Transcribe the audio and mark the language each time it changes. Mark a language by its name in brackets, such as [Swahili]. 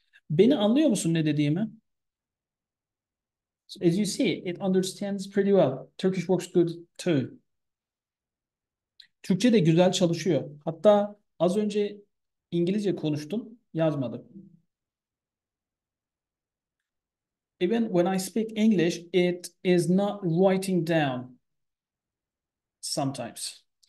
[Turkish] Beni anlıyor musun ne dediğimi? [English] So as you see, it understands pretty well. Turkish works good too. [Turkish] Türkçe de güzel çalışıyor. Hatta az önce İngilizce konuştum, yazmadım. [English] Even when I speak English, it is not writing down sometimes.